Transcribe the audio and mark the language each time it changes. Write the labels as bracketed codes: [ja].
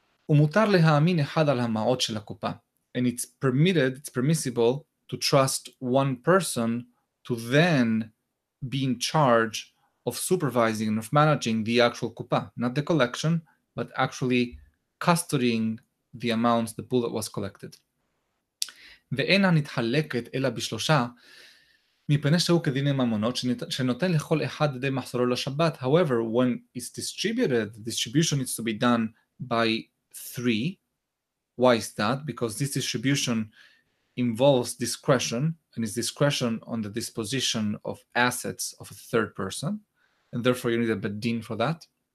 [he] Umutar lehaamin echad al hamaot shel hakupa. [en] And it's permissible to trust one person to then be in charge of supervising and of managing the actual kupa, not the collection, but actually custodying the amounts, the pool that was collected. [he] ואינה נתחלקת אלא בשלושה, מפני שהוא כדיני ממונות שנותן לכל אחד די מחסורו לשבת. [en] However, when it's distributed, the distribution needs to be done by three. Why is that? Because this distribution involves discretion, and it's discretion on the disposition of assets of a third person, and therefore you need a bedin for that.